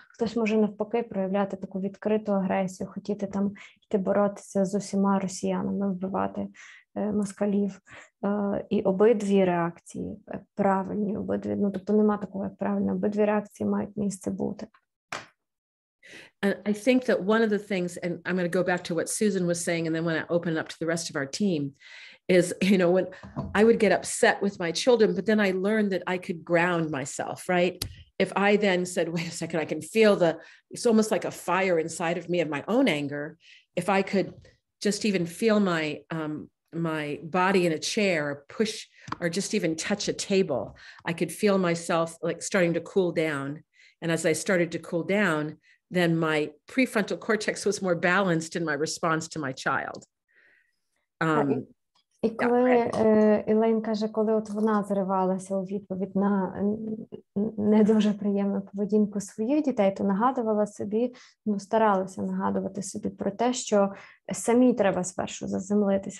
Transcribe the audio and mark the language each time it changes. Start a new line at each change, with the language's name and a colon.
Ukrainian: Хтось може навпаки проявляти таку відкриту агресію, хотіти там йти боротися з усіма росіянами, вбивати москалів. І обидві реакції правильні, обидві, ну, тобто нема такого, як правильно, обидві реакції мають місце бути.
English: And I think that one of the things, and I'm going to go back to what Susan was saying, and then when I open it up to the rest of our team, is, you know, when I would get upset with my children, but then I learned that I could ground myself, right? If I then said, wait a second, I can feel the, it's almost like a fire inside of me of my own anger. If I could just even feel my my body in a chair or push, or just even touch a table, I could feel myself like starting to cool down. And as I started to cool down, then my prefrontal cortex was more balanced in my response to my child.
Ukrainian: І коли Елейн каже, коли от вона зривалася у відповідь на не дуже приємну поведінку своїх дітей, то нагадувала собі, ну, старалася нагадувати собі про те, що самі треба спершу заземлитися.